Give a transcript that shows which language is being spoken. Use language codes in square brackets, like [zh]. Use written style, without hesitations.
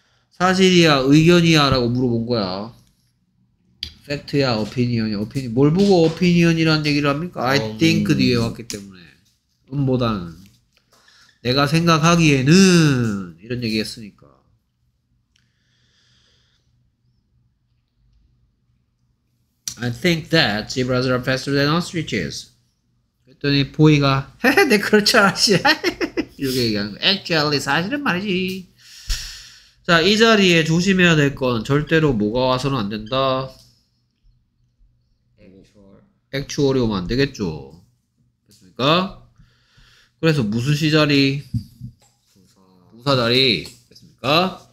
[ko] 사실이야 의견이야 라고 물어본 거야. 팩트야 오피니언이야. 오피니언. 뭘 보고 오피니언이라는 얘기를 합니까? I think 뒤에 왔기 때문에 음보다는 내가 생각하기에는 이런 얘기 했으니까. [en] 'I think that zebras are faster than ostriches.' [ko] 그랬더니 보이가 내 그럴 줄 알았지 이렇게 얘기하는 거야. 'Actually 사실은 말이지.' 자, 이 자리에 조심해야 될 건 절대로 뭐가 와서는 안 된다. [en] Actual이 [ko] 오면 안 되겠죠. 됐습니까? 그래서 무슨 시 자리? 부사 자리. 됐습니까?